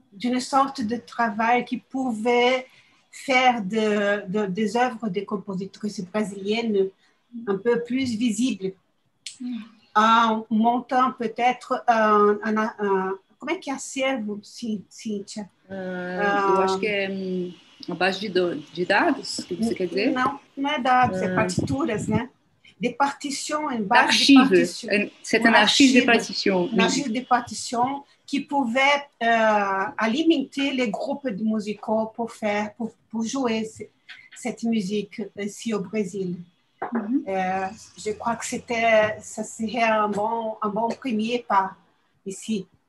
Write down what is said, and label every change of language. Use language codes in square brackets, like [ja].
[fr] D'une sorte de travail qui pouvait faire des œuvres des compositrices brésiliennes un peu plus visibles, en montant peut-être comment est-ce qu'il y a servo, Cíntia? [pt] Eu acho que é uma base de dados, que você quer dizer? Não é dados, é partituras, né? [fr] De partitions, une base archive. De partitions. C'est un archive de partitions. Une archive de partitions qui pouvait alimenter les groupes de musicaux pour jouer cette musique ici au Brésil. Mm-hmm. Je crois que ça serait un bon premier pas ici.